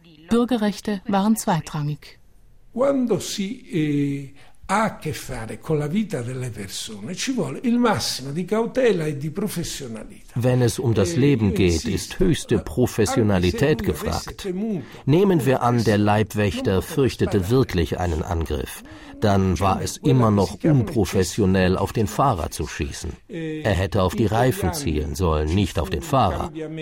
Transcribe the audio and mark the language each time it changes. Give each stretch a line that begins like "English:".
German: Bürgerrechte waren zweitrangig.
Italian: Quando si ha a che fare con la vita delle persone, ci vuole il massimo di cautela e di professionalità.
German: Wenn es das Leben geht, ist höchste Professionalität gefragt. Nehmen wir an, der Leibwächter fürchtete wirklich einen Angriff. Dann war es immer noch unprofessionell, auf den Fahrer zu schießen. Er hätte auf die Reifen zielen sollen, nicht auf den Fahrer.